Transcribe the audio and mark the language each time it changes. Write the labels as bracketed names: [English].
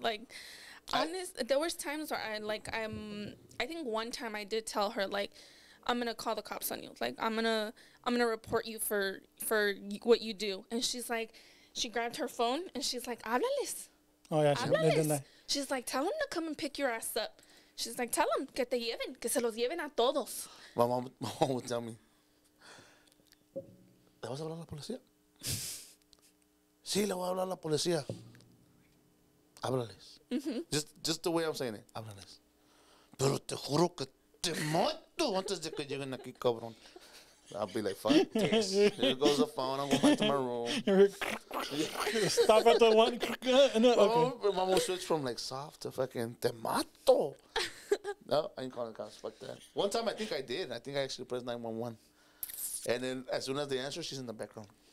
[English] Like, there was times where I think one time I did tell her, like, I'm gonna call the cops on you. Like, I'm gonna report you for what you do. And she's like, she grabbed her phone and she's like, [Spanish] háblales. [English] Oh yeah, she's like, tell them to come and pick your ass up. She's like, tell them [Spanish] que te lleven, que se los lleven a todos. [English] My mom would tell me, [Spanish] ¿le vas a hablar a la policía? Sí, le voy a hablar a la policía. Háblales. Mm-hmm. [English] Just the way I'm saying it, [Spanish] háblales. Pero te juro que te mato antes de que lleguen aquí, cabrón. [English] I'll be like, fuck this. Here goes the phone. I'm going back to my room. Stop at the one. Okay. Mom will switch from like soft to fucking [Spanish] te mato. [English] No, I ain't calling the cops. Fuck that. One time I think I did. I think I actually pressed 911. And then as soon as they answer, she's in the background.